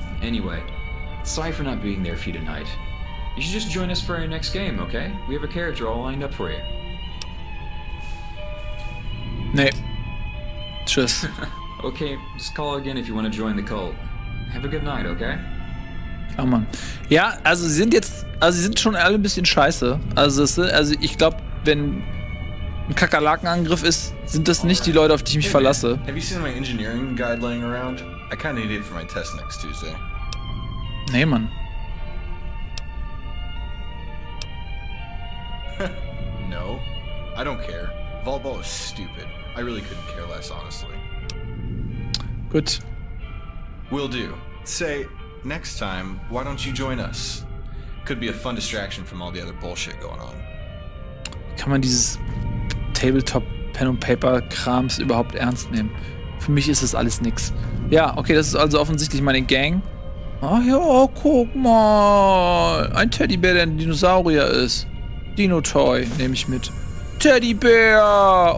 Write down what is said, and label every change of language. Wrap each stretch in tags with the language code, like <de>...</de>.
<en>Anyway, sorry for not being there for you tonight. You should just join us for our next game, okay? We have a character all lined up for you.</en> <de>Nee. Tschüss.</de> <en>Okay, just call again if you want to join the cult. Have a good night, okay? Oh man.</en> <de>Ja, also sie sind jetzt, also sie sind schon alle ein bisschen scheiße. Also ich glaube, wenn ein Kakerlakenangriff ist, sind das nicht die Leute, auf die ich mich verlasse.</de> <en>Have you seen my engineering guide laying around? I kind of need it for my test next Tuesday.</en> <de>Nee, Mann.</de> <en>No, I don't care. Volleyball is stupid. I really couldn't care less, honestly.</en> <de>Gut.</de> <en>Will do. Say, next time, why don't you join us? Could be a fun distraction from all the other bullshit going on.</en> <de>Kann man dieses Tabletop Pen und Paper Krams überhaupt ernst nehmen? Für mich ist das alles nix. Ja, okay, das ist also offensichtlich meine Gang. Ach ja, guck mal. Ein Teddybär, der ein Dinosaurier ist. Dino Toy nehme ich mit. Teddybär!</de>